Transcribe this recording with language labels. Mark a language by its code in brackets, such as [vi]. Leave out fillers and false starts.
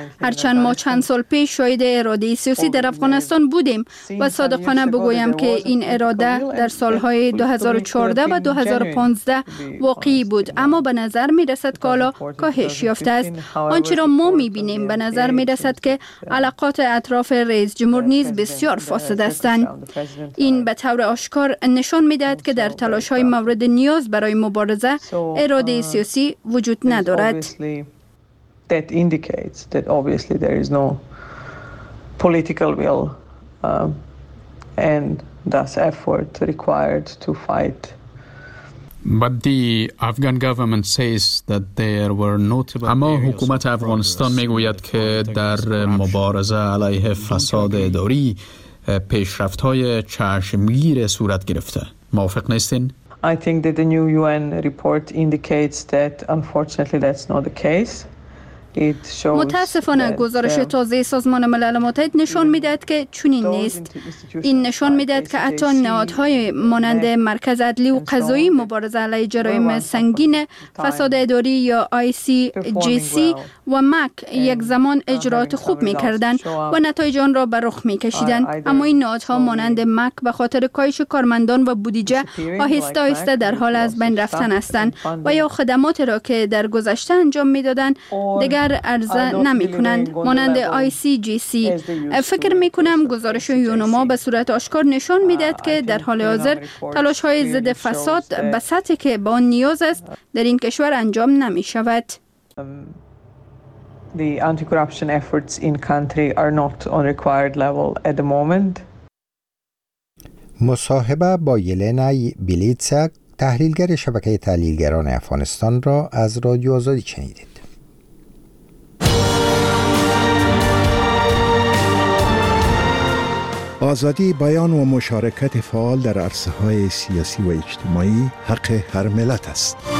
[fa] هرچند ما چند سال پیش شاید اراده سیاسی در افغانستان بودیم و صادقانه بگویم که این اراده در سالهای 2014 و 2015 واقعی بود، اما به نظر می رسد که حالا کاهش یافته است. آنچه را ما می بینیم به نظر می رسد که علاقات اطراف رئیس جمهور نیز بسیار فاسد هستند. این به طور آشکار نشان می‌دهد که در تلاش‌های مورد نیاز برای مبارزه اراده سیاسی وجود ندارد. [en] That indicates that obviously there is no political will and thus effort required to fight. But the Afghan government says that there were notable. [fa] اما حکومت افغانستان می‌گوید که در مبارزه علیه فساد اداری پیشرفت های چشمگیر صورت گرفته. موافق نیستین؟ [en] I think that the new UN report indicates that unfortunately that's not the case. [fa] متاسفانه گزارش تازه سازمان ملل متحد نشان میدهد که چنین نیست. این نشان میدهد که حتی نهادهای مانند مرکز عدلی و قضایی مبارزه علیه جرایم سنگین فساد اداری یا ICJC و MAC یک زمان اجرات خوب میکردند و نتایج آن را به رخ میکشیدند، اما این نهادها مانند MAC به خاطر کاهش کارمندان و بودجه آهسته آهسته در حال از بین رفتن هستند و یا خدمات را که در گذشته انجام میدادند اگر عرضه نمی کنند، مانند ICJC. فکر می کنم گزارش یونما به صورت آشکار نشان می دهد که در حال حاضر تلاش های ضد فساد به سطحی که با آن نیاز است در این کشور انجام نمی شود. [en] The anti-corruption efforts in country are not on required level at the moment. [fa] مصاحبه با یلنا بیلیتسک تحلیلگر شبکه تحلیلگران افغانستان را از رادیو آزادی شنیدید. آزادی بیان و مشارکت فعال در عرصه‌های سیاسی و اجتماعی حق هر ملت است.